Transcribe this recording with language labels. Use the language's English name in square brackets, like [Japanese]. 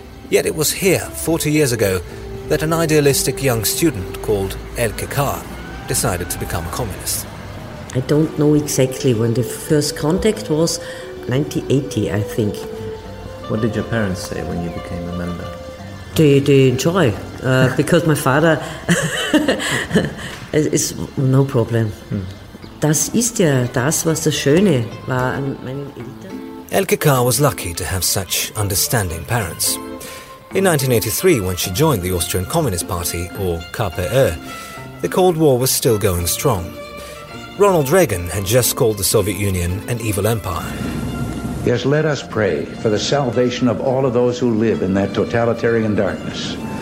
[English] Yet it was here, 40 years ago, that an idealistic young student called Elke Kahr decided to become a communist. I don't know exactly when the first contact was, 1980, I think. What did your parents say when you became a member? They enjoy, because my father is no problem. [German] Das ist ja das, was das Schöne war an meinen Eltern. [English] Elke Kahr was lucky to have such understanding parents. In 1983, when she joined the Austrian Communist Party, or KPR, the Cold War was still going strong. Ronald Reagan had just called the Soviet Union an evil empire. Yes, let us pray for the salvation of all of those who live in that totalitarian darkness.